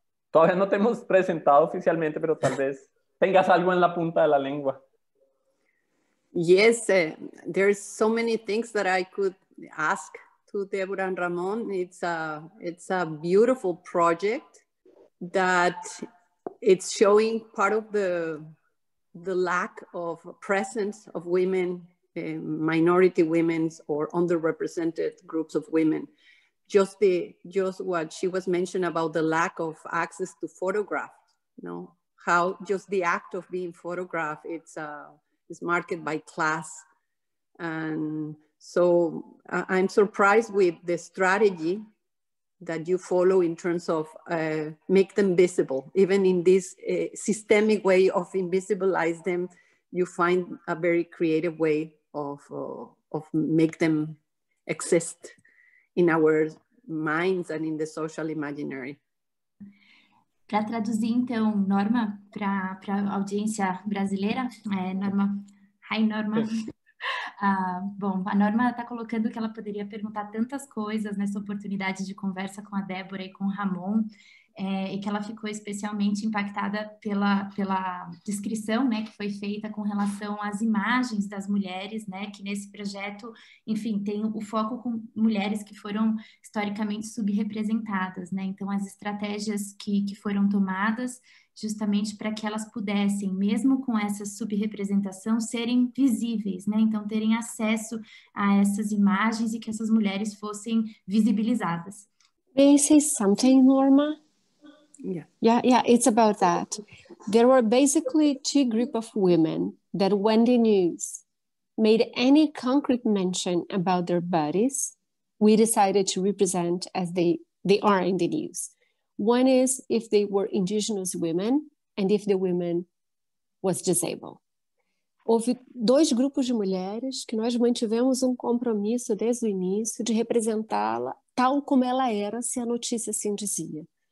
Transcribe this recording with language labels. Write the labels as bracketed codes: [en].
[pt] Todavía não temos apresentado oficialmente, mas talvez tenhas algo na ponta da língua. [en] Yes, there's so many things that I could ask to Débora and Ramon. It's a beautiful project that... It's showing part of the lack of presence of women, minority women or underrepresented groups of women. Just what she was mentioned about the lack of access to photograph, you know, how just the act of being photographed, it's marked by class. And so I'm surprised with the strategy that you follow in terms of make them visible, even in this systemic way of invisibilize them, you find a very creative way of make them exist in our minds and in the social imaginary. [pt] Para traduzir então, Norma, para a audiência brasileira, Norma, hi Norma. A Norma está colocando que ela poderia perguntar tantas coisas nessa oportunidade de conversa com a Débora e com o Ramon, e que ela ficou especialmente impactada pela descrição, né, que foi feita com relação às imagens das mulheres, né, que nesse projeto, enfim, tem o foco com mulheres que foram historicamente subrepresentadas, né, então as estratégias que foram tomadas justamente para que elas pudessem, mesmo com essa subrepresentação, serem visíveis, né? Então, terem acesso a essas imagens e que essas mulheres fossem visibilizadas. [en] May I say something, Norma? Yeah. Yeah, it's about that. There were basically two group of women that when the news made any concrete mention about their bodies, we decided to represent as they are in the news. One is if they were indigenous women and if the woman was disabled. [pt] Houve dois grupos de mulheres que nós mantivemos um compromisso desde o início de representá-la tal como ela era, se a notícia assim dizia.